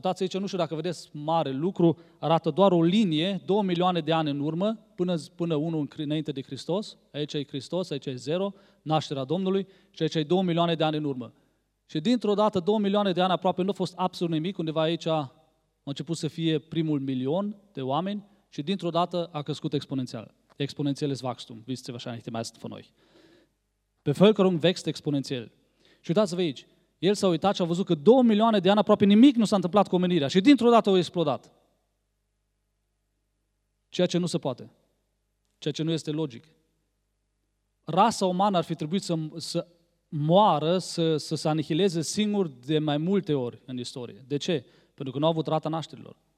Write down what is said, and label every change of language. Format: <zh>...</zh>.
<ro>Uitați aici, nu știu dacă vedeți mare lucru, arată doar o linie, 2 milioane de ani în urmă, până unul înainte de Hristos. Aici e Hristos, aici e zero, nașterea Domnului și aici e 2 milioane de ani în urmă. Și dintr-o dată, 2 milioane de ani aproape, nu a fost absolut nimic, undeva aici a început să fie primul milion de oameni și dintr-o dată a crescut exponențial.</ro> <de>Exponențiales Wachstum, wisst ihr wahrscheinlich die meisten von euch. Bevölkerung wächst exponențial.</de> <ro>Și uitați-vă aici, el s-a uitat și a văzut că 2 milioane de ani aproape nimic nu s-a întâmplat cu omenirea și dintr-o dată a explodat. Ceea ce nu se poate. Ceea ce nu este logic. Rasa umană ar fi trebuit să moară, să se anihileze singur de mai multe ori în istorie. De ce? Pentru că nu a avut rata nașterilor.</ro>